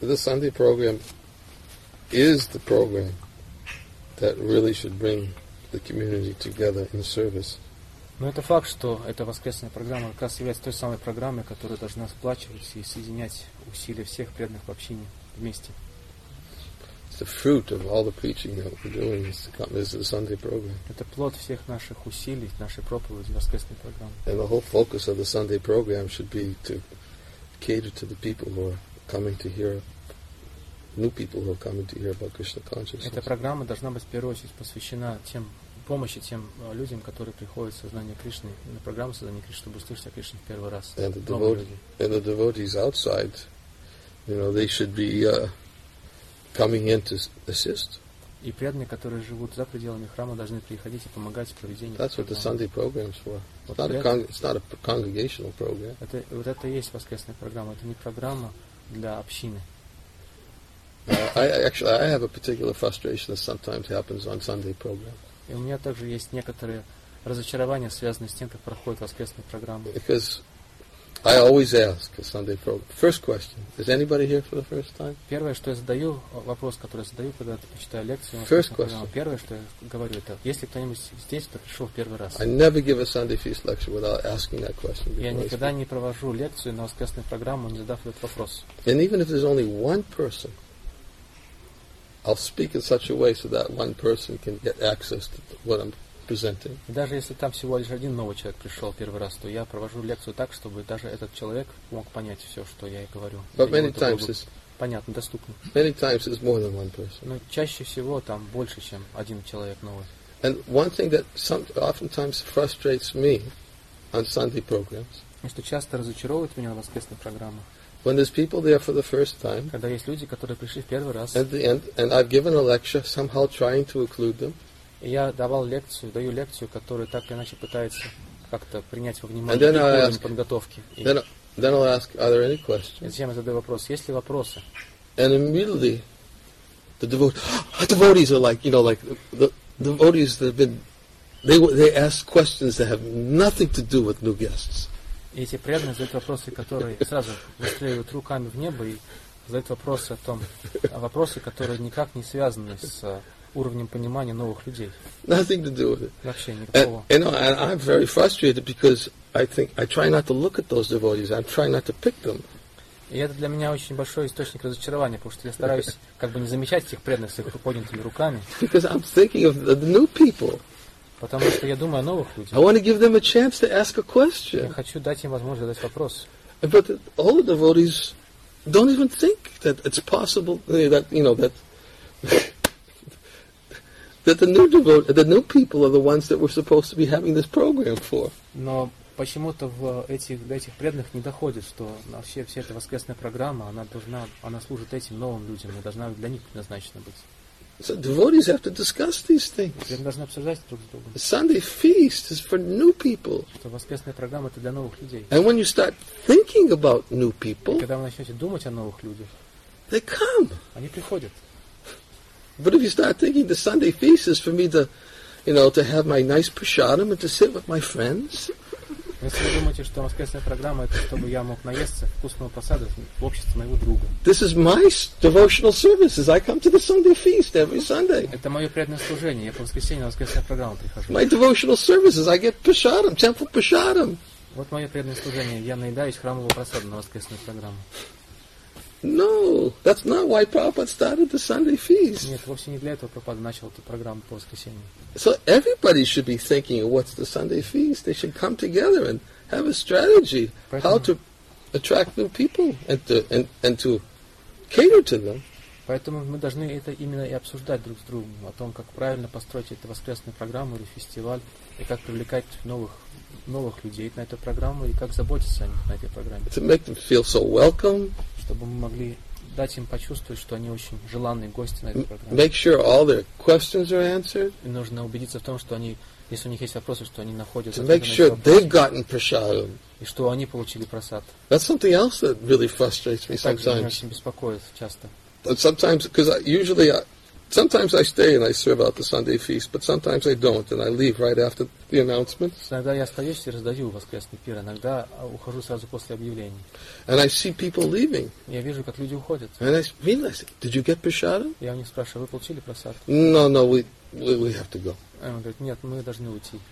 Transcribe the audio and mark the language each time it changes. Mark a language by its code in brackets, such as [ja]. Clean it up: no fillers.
[en] The Sunday program is the program that really should bring the community together in service. [ru] Но это факт, что эта воскресная программа как раз является той самой программой, которая должна сплачивать и соединять усилия всех преданных в общине вместе. [en] The fruit of all the preaching that we're doing is to come is the Sunday program. [ru] Это плод всех наших усилий, нашей проповеди, воскресной программы. [en] And the whole focus of the Sunday program should be to cater to the people who are coming to hear, new people who are coming to hear about Krishna consciousness. [ru] Эта программа должна быть в первую очередь посвящена тем помощи тем людям, которые приходят в сознание Кришны на программу сознания Кришны, чтобы услышать о Кришне в первый раз. [en] And the devotees, outside, you know, they should be coming in to assist. [ru] И преданные, которые живут за пределами храма, должны приходить и помогать в проведении. [en] That's what the Sunday program is for. It's not a congregational program. [ru] Это и есть воскресная программа. Это не программа для общины. [en] I have a particular frustration that sometimes happens on Sunday programs. [ru] И у меня также есть некоторые разочарования, связанные с тем, как проходит воскресная программа. [en] Because I always ask a Sunday program. First question: is anybody here for the first time? [ru] Первое, что я задаю вопрос, который я задаю, когда я читаю лекцию. [en] First question. [ru] Первое, что я говорю, это: если кто-нибудь здесь, кто пришел в первый раз? [en] I never give a Sunday feast lecture without asking that question. [ru] Я никогда не провожу лекцию на воскресную программу, не задав этот вопрос. [en] And even if there's only one person, I'll speak in such a way so that one person can get access to what I'm. [ru] И даже если там всего лишь один новый человек пришел первый раз, то я провожу лекцию так, чтобы даже этот человек мог понять все, что я и говорю. [en] But many times it's [ru] понятно, доступно. [en] Many times it's more than one person. [ru] Но чаще всего там больше, чем один человек новый. [en] And one thing that oftentimes frustrates me on Sunday programs. [ru] Что часто разочаровывает меня на воскресных программах. [en] When there's people there for the first time. [ru] Когда есть люди, которые пришли в первый раз. [en] And I've given a lecture somehow trying to include them. [ru] Я давал лекцию, даю лекцию, которую так или иначе пытается как-то принять во внимание людям подготовки. [en] Then I'll ask, are there any questions? [ru] Затем я задаю вопрос, есть ли вопросы? [en] And immediately, the devotees are like, you know, like the devotees that have been, they ask questions that have nothing to do with new guests. [ru] Эти преданные задают вопросы, которые сразу выстреливают руками в небо и задают вопросы о том, вопросы, которые никак не связаны с уровнем понимания новых людей. [en] Nothing to do with it. [ru] Вообще никакого. [en] And, you know, and I'm very frustrated because I think I try not to look at those devotees. I'm trying not to pick them. [ru] И это для меня очень большой источник разочарования, потому что я стараюсь как бы не замечать этих преданных с их поднятыми руками. [en] Because I'm thinking of the new people. [ru] Потому что я думаю о новых людях. [en] I want to give them a chance to ask a question. [ru] Я хочу дать им возможность задать вопрос. [en] But all the devotees don't even think that it's possible that, you know, that that the new devotees, the new people are the ones that we're supposed to be having this program for. [ru] Но почему-то в этих, до этих преданных не доходит, что вообще вся эта воскресная программа, она должна, она служит этим новым людям, и должна для них предназначена быть. [en] So devotees have to discuss these things. [ru] Они должны обсуждать друг с другом. [en] Sunday feast is for new people. [ru] Что воскресная программа это для новых людей. [en] And when you start thinking about new people, [ru] когда вы начнете думать о новых людях, [en] they come. [ru] Они приходят. [en] But if you start thinking the Sunday feast is for me to, you know, to have my nice prasadam and to sit with my friends. [ru] Если вы думаете, что воскресная программа это чтобы я мог наесться вкусного просада в обществе моего друга. [en] This is my devotional service. I come to the Sunday feast every Sunday. [ru] Это мое преданное служение. Я по воскресеньям на воскресную программу прихожу. [en] My devotional service is I get prasadam, temple prasadam. [ru] Вот мое преданное служение. Я наедаюсь храмового просада на воскресную программу. [en] No, that's not why Prabhupada started the Sunday feast. [ru] Нет, вовсе не для этого Прабхупада начал эту программу по воскресеньям. [en] So everybody should be thinking, what's the Sunday feast? They should come together and have a strategy [ru] поэтому, [en] how to attract new people and to cater to them. [ru] Поэтому мы должны это именно и обсуждать друг с другом о том, как правильно построить эту воскресную программу или фестиваль и как привлекать новых людей на эту программу и как заботиться о них на этой программе. [en] To make them feel so welcome. [ru] Чтобы мы могли дать им почувствовать, что они очень желанные гости на этой программе. [en] Make sure all their questions are answered. [ru] И нужно убедиться в том, что они, если у них есть вопросы, что они находятся. [en] To make sure they've gotten prasadam. [ru] И что они получили просад. [en] That's something else that really frustrates me sometimes. [ru] Также меня очень беспокоит часто. [en] But sometimes, because sometimes I stay and I serve out the Sunday feast, but sometimes I don't and I leave right after the announcement. [ru] Иногда я остаюсь и раздаю воскресный пир, иногда ухожу сразу после объявлений. [en] And I see people leaving. [ru] Я вижу, как люди уходят. [en] And I realize, did you get prasadam? [ru] Я у них спрашиваю, вы получили просад? [en] No, we have to go. [ru] Он говорит, нет, мы должны уйти.